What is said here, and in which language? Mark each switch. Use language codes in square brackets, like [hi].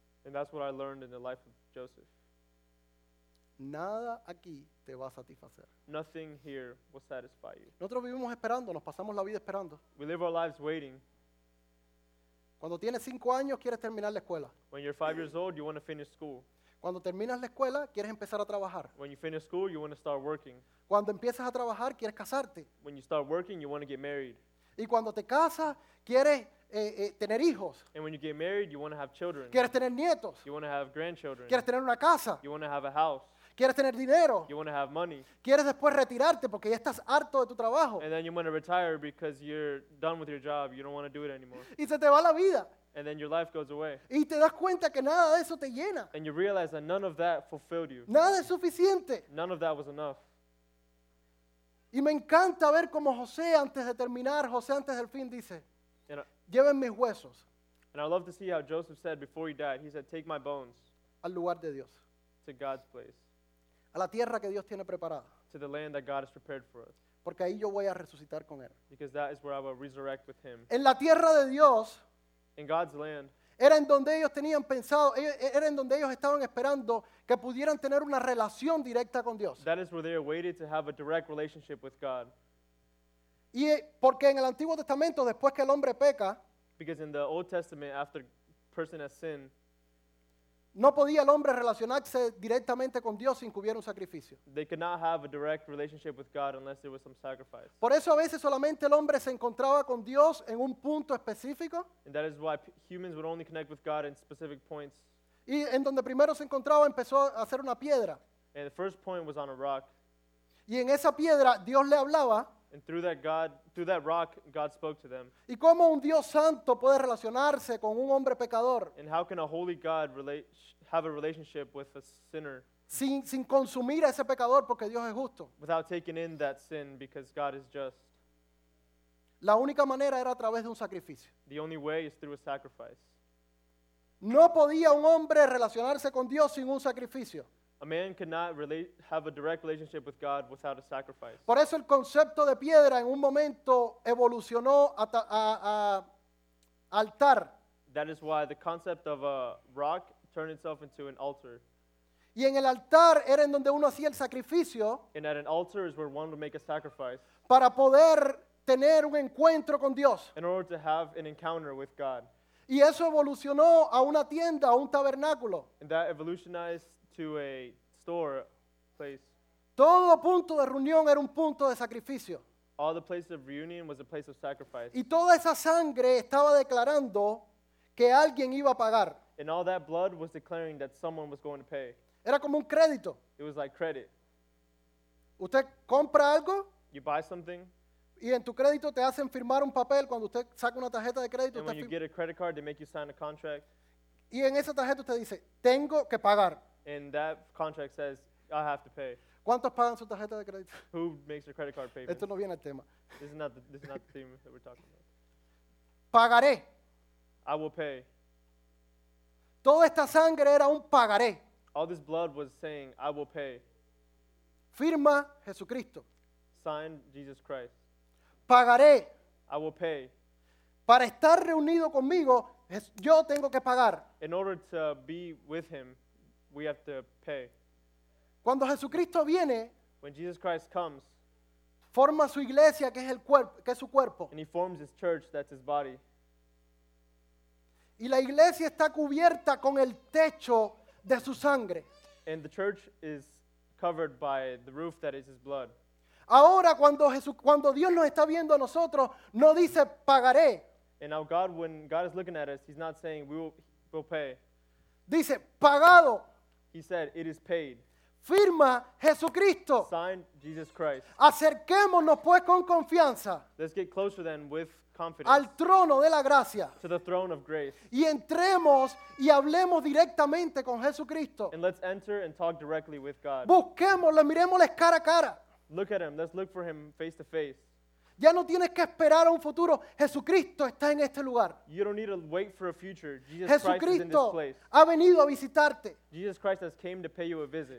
[en] And that's what I learned in the life of Joseph. [es] Nada aquí te va a satisfacer. [en] Nothing here will satisfy you. [es] Nosotros vivimos esperando, nos pasamos la vida esperando. [en] We live our lives waiting. [es] Cuando tienes 5 años, quieres terminar la escuela. [en] When you're 5 years old, you want to finish school. [es] Cuando terminas la escuela, quieres empezar a trabajar. [en] When you finish school, you want to start working. [es] Cuando empiezas a trabajar, quieres casarte. [en] When you start working, you want to get married. [es] Y cuando te casas, quieres tener hijos. [en] And when you get married, you want to have children. [es] Quieres tener nietos. [en] You want to have grandchildren. [es] Quieres tener una casa. [en] You want to have a house. [es] Quieres tener dinero. [en] You want to have money. [es] Quieres después retirarte porque ya estás harto de tu trabajo. [en] And then you want to retire because you're done with your job. You don't want to do it anymore. [es] Y se te va la vida. [en] And then your life goes away. [es] Y te das cuenta que nada de eso te llena. [en] And you realize that none of that fulfilled you. [es] Nada es suficiente. [en] None of that was enough. [es] Y me encanta ver cómo José antes de terminar, José antes del fin dice, lleven mis huesos. [en] And I love to see how Joseph said before he died, he said, take my bones. [es] Al lugar de Dios. [en] To God's place. [es] A la tierra que Dios tiene preparada. [en] To the land that God has prepared for us. [es] Porque ahí yo voy a resucitar con él. [en] Because that is where I will resurrect with him. [es] En la tierra de Dios. [en] In God's land. [es] Era en donde ellos tenían pensado, era en donde ellos estaban esperando que pudieran tener una relación directa con Dios. [en] That is where they awaited to have a direct relationship with God. [es] Y porque en el Antiguo Testamento, después que el hombre peca. [en] Because in the Old Testament, after person has sinned. [es] No podía el hombre relacionarse directamente con Dios sin que hubiera un sacrificio. [en] They could not have a direct relationship with God unless there was some sacrifice. [es] Por eso a veces solamente el hombre se encontraba con Dios en un punto específico. [en] And that is why humans would only connect with God in specific points. [es] Y en donde primero se encontraba empezó a hacer una piedra. [en] And the first point was on a rock. [es] Y en esa piedra Dios le hablaba. [en] And through that rock, God spoke to them. [es] ¿Y cómo un Dios santo puede relacionarse con un hombre pecador? [en] And how can a holy God have a relationship with a sinner? [es] Sin consumir a ese pecador porque Dios es justo. [en] Without taking in that sin because God is just. [es] La única manera era a través de un sacrificio. [en] The only way is through a sacrifice. [es] No podía un hombre relacionarse con Dios sin un sacrificio. [en] A man cannot have a direct relationship with God without a sacrifice. [es] Por eso el concepto de piedra en un momento evolucionó a altar. [en] That is why the concept of a rock turned itself into an altar. [es] Y en el altar era en donde uno hacía el sacrificio. [en] And at an altar is where one would make a sacrifice. [es] Para poder tener un encuentro con Dios. [en] In order to have an encounter with God. [es] Y eso evolucionó a una tienda, a un tabernáculo. [en] And that evolutionized to a store place. [es] Todo punto de reunión era un punto de sacrificio. [en] All the place of reunion was a place of sacrifice. [es] Y toda esa sangre estaba declarando que alguien iba a pagar. [en] And all that blood was declaring that someone was going to pay. [es] Era como un crédito. [en] It was like credit. [es] Usted compra algo. [en] You buy something. [es] Y en tu crédito te hacen firmar un papel cuando usted saca una tarjeta de crédito. [en] And when you get a credit card, they make you sign a contract. [es] Y en esa tarjeta usted dice, tengo que pagar. [en] And that contract says, I have to pay. [es] ¿Cuántos pagan su tarjeta de crédito? [en] Who makes their credit card payments? [es] Esto no viene al tema. [en] This is not the theme that we're talking about. [es] Pagaré. [en] I will pay. [es] Toda esta sangre era un pagaré. [en] All this blood was saying, I will pay. [es] Firma Jesucristo. [en] Sign Jesus Christ. [es] Pagaré. [en] I will pay. [es] Para estar reunido conmigo, yo tengo que pagar. [en] In order to be with him, we have to pay. [es] Cuando Jesucristo viene, [en] when Jesus Christ comes, [es] forma su iglesia, que es el cuerpo, que es su cuerpo. [en] And he forms his church, that's his body. [es] Y la iglesia está cubierta con el techo de su sangre. [en] And the church is covered by the roof that is his blood. [es] Ahora cuando Dios nos está viendo a nosotros, no dice pagaré. [en] And now God, when God is looking at us, he's not saying we'll pay. [es] Dice pagado. [en] He said it is paid. [es] Firma Jesucristo. [en] Sign Jesus Christ. [es] Acerquémonos pues con confianza. [en] Let's get closer then with confidence. [es] Al trono de la gracia. [en] To the throne of grace. [es] Y entremos y hablemos directamente con Jesucristo. [en] And let's enter and talk directly with God. [es] Busquémosle, miremosle cara a cara. [en] Look at him. Let's look for him face to face. [es] Ya no tienes que esperar a un futuro. Jesucristo está en este lugar. [en] You don't need to wait for a future. Jesus [es] Jesucristo [en] Christ is in this place. [es] Ha venido a visitarte. [en] Jesus Christ has came to pay you a visit.